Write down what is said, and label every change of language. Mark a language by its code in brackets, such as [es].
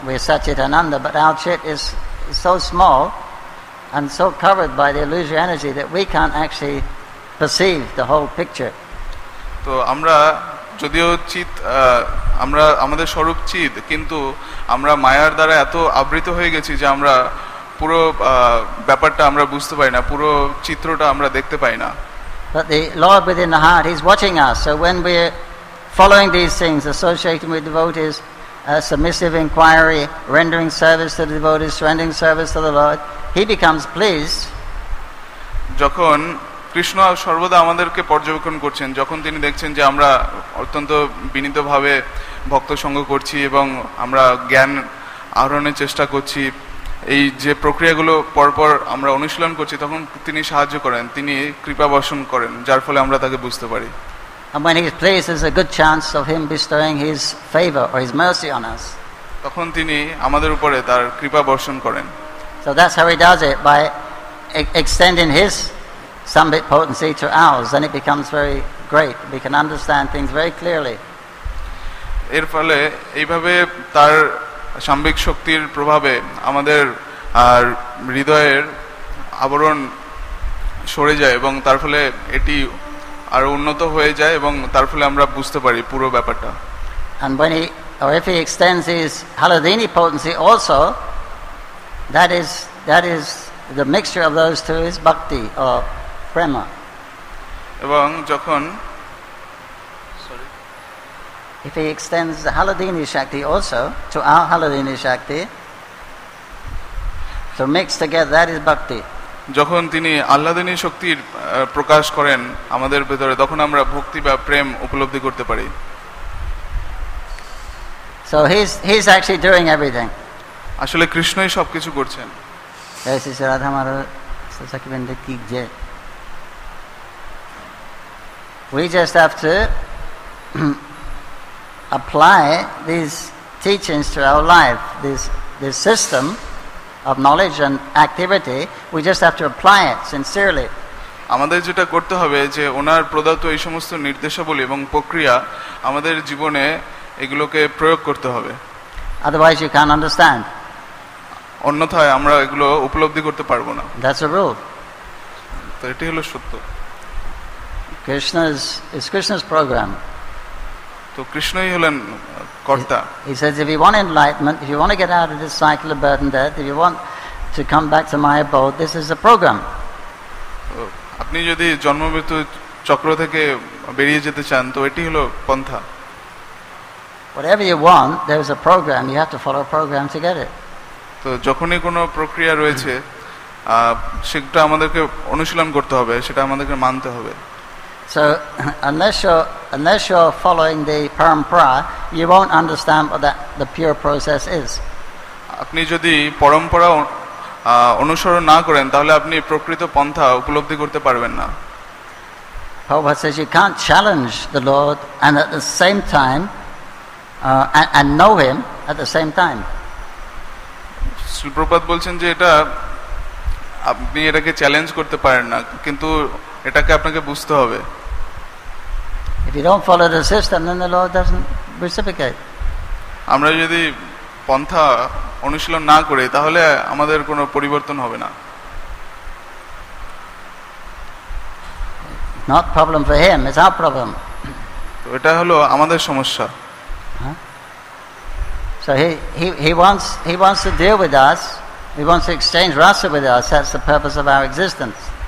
[en] We are Satchit Ananda, but our chit is so small and so covered by the illusory energy that we can't actually perceive the whole picture. [bn] তো আমরা যদিও চিত আমরা আমাদের স্বরূপ চিত, কিন্তু আমরা মায়ার দ্বারা এত আবৃত হয়ে গেছি যে আমরা পুরো ব্যাপারটা আমরা বুঝতে পারি না, পুরো চিত্রটা আমরা দেখতে পাই না। [en] But the Lord within the heart, he's watching us. So when we're following these things, associating with devotees, submissive inquiry, rendering service to the devotees, rendering service to the Lord, he becomes pleased. [bn] যখন কৃষ্ণ সর্বদা আমাদেরকে পর্যবেক্ষণ করছেন, যখন তিনি দেখছেন যে আমরা অত্যন্ত বিনীতভাবে ভক্ত সঙ্গ করছি এবং আমরা জ্ঞান আহরণের চেষ্টা করছি, এই যে প্রক্রিয়াগুলো পরপর আমরা অনুশীলন করছি, তখন তিনি সাহায্য করেন, তিনি কৃপা বর্ষণ করেন, যার ফলে আমরা তাকে বুঝতে পারি। [en] And when his place is a good chance of him bestowing his favor or his mercy on us. [bn] তখন তিনি আমাদের উপরে তার কৃপা বর্ষণ করেন। [en] So that's how he does it, by extending his sambit potency to ours, then it becomes very great. We can understand things very clearly. [bn] এর ফলে এইভাবে তার সাম্বিক শক্তির প্রভাবে আমাদের আর হৃদয়ের আবরণ সরে যায় এবং তার ফলে এটি আরো উন্নত হয়ে যায় এবং তার ফলে আমরা বুঝতে পারি পুরো ব্যাপারটা। [en] And when he, or if he extends his haladini potency also, that is the mixture of those two is bhakti or prema. [bn] এবং যখন [en] If he extends the Haladini Shakti also to our Haladini Shakti, so mixed together, that is bhakti. [bn] যখন তিনি আহ্লাদিনী শক্তির প্রকাশ করেন আমাদের ভেতরে, তখন আমরা ভক্তি বা প্রেম উপলব্ধি করতে পারি। [en] So he's actually doing everything. [bn] আসলে কৃষ্ণই সবকিছু করছেন। এসে রাধা মারা সকিবেন্দ্র কি যে [en] We just have to apply these teachings to our life, this system of knowledge and activity, we just have to apply it sincerely. [bn] আমাদের যেটা করতে হবে যে ওনার প্রদত্ত এই সমস্ত নির্দেশাবলী এবং প্রক্রিয়া আমাদের জীবনে এগুলোকে প্রয়োগ করতে হবে। [en] Otherwise you can't understand. [bn] অন্যথায় আমরা এগুলো উপলব্ধি করতে পারবো না। [en] That's a rule. [bn] তো এটি হলো সত্য। [en] Krishna's program. [bn] তো কৃষ্ণই হলেন কর্তা। [en] He says if you want enlightenment, if you want to get out of this cycle of birth and death, if you want to come back to my abode, this is the program. [bn] আপনি যদি জন্মমৃত্যু চক্র থেকে বেরিয়ে যেতে চান, তো এটি হলো পন্থা। [en] Whatever you want, there is a program. You have to follow a program to get it. [bn] তো যখনই কোনো প্রক্রিয়া রয়েছে, সেটা আমাদেরকে অনুশীলন করতে হবে, সেটা আমাদেরকে মানতে হবে। [en] So unless you're following the parampara, you won't understand what that the pure process is. [bn] আপনি যদি পরম্পরা অনুসরণ না করেন, তাহলে আপনি প্রকৃত পন্থা উপলব্ধি করতে পারবেন না। [en] Prabhupada says you can't challenge the Lord and at the same time and know him at the same time. [bn] Shri Prabhupada বলছেন যে এটা আপনি এটাকে চ্যালেঞ্জ করতে পারেন না, কিন্তু এটাকে আপনাকে বুঝতে হবে। [en] If you don't follow the system, then the Lord doesn't reciprocate. [bn] আমরা যদি পন্থা অনুশীলন না করি, তাহলে আমাদের কোনো পরিবর্তন হবে না। [en] Not problem for him, it's our problem. [bn] তো এটা হলো আমাদের সমস্যা। [en] So he wants to deal with us. He wants to exchange rasa with us. That's the purpose of our existence.